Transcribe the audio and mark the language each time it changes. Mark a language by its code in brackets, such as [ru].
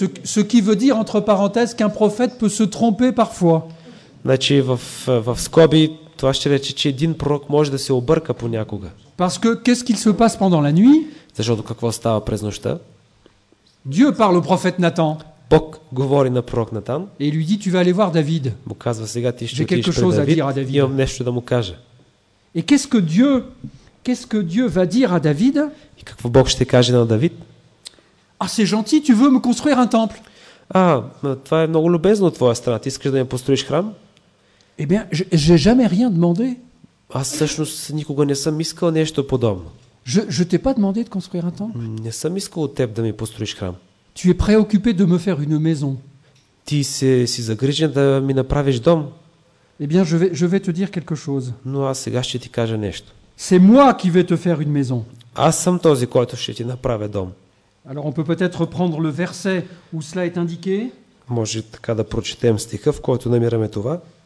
[fr] Ce qui veut dire entre parenthèses qu'un prophète peut se tromper parfois. [bg] Значи в скоби това ще рече, че един пророк може да се обърка понякога. [fr] Parce que qu'est-ce qu'il se passe pendant la nuit? [bg] Защото какво става през нощта? [fr] Dieu parle au prophète Nathan. [bg] Бог говори на пророк Натан. [fr] Et lui dit, tu vas aller voir David. [bg] Му казва сега, ти ще отидеш при Давид. [fr] À David. [bg] Имам нещо да му кажа. [fr] Et qu'est-ce que Dieu va dire à David? [bg] И какво Бог ще каже на Давид? [fr] Ah, c'est gentil, tu veux me construire un temple. [bg] А, това е много любезно от твоя страна. Ти искаш да ми построиш храм? [fr] Eh bien, j'ai jamais rien demandé. [bg] Аз всъщност никога не съм искал нещо подобно. [fr] Je t'ai pas demandé de construire un temple. [bg] Не съм искал от теб да ми построиш храм. [fr] Tu es préoccupé de me faire une maison. [bg] Ти си загрижен да ми направиш дом. [fr] Eh bien, je vais te dire quelque chose. [bg] Но аз сега ще ти кажа нещо. [fr] C'est moi qui vais te faire une maison. [bg] Аз съм този, който ще ти направя дом. [fr] Alors, on peut peut-être prendre le verset où cela est indiqué. [bg] Може така да прочетем стиха, в който намираме това.